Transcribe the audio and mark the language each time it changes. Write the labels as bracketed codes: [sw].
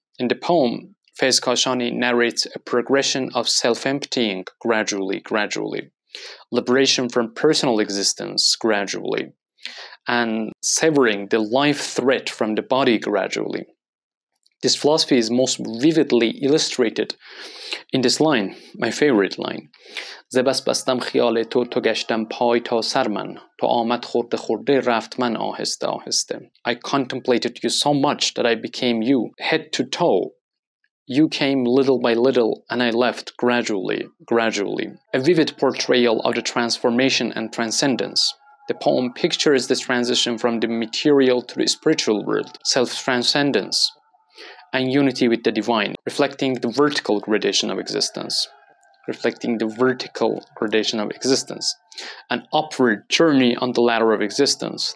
[en] In the poem, Fayd Kashani narrates a progression of self-emptying gradually, gradually, liberation from personal existence gradually, and severing the life threat from the body gradually. This philosophy is most vividly illustrated in this line, my favorite line. [fa] زبس بستم خیال تو تو گشتم پای تا سر من تو آمد خورده خورده رفت من آهسته آهسته. [en] I contemplated you so much that I became you, head to toe. You came little by little and I left gradually, gradually. A vivid portrayal of the transformation and transcendence. The poem pictures the transition from the material to the spiritual world, self-transcendence, and unity with the divine, reflecting the vertical gradation of existence, an upward journey on the ladder of existence.